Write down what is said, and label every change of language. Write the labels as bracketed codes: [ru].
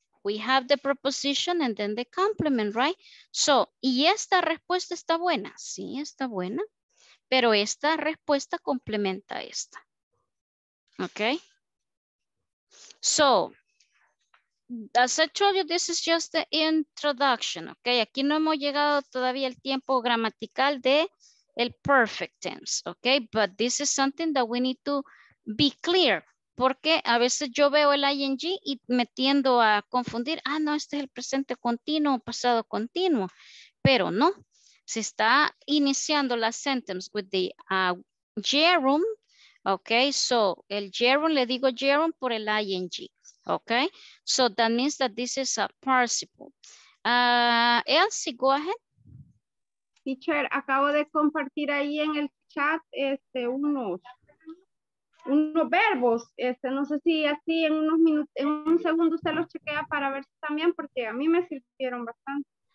[en] we have the preposition and then the complement, right? [es] So, y esta respuesta está buena. Sí, está buena. Pero esta respuesta complementa esta. Okay? [en] So, as I told you, this is just the introduction, okay? [es] Aquí no hemos llegado todavía al tiempo gramatical de el perfect tense, okay? [en] But this is something that we need to be clear. [es] Porque a veces yo veo el ing y me tiendo a confundir. Ah, no, este es el presente continuo, pasado continuo. Pero no, se está iniciando la sentence [en] with the gerund. [es] Ok, so el gerund, le digo gerund por el ing. [en] Ok, so that means that this is a participle. Elsie, go ahead. [es] Teacher, acabo de compartir ahí en el chat este unos verbos, no sé si así en unos minutos, en un segundo usted los chequea para ver si también, porque a mí me sirvieron bastante.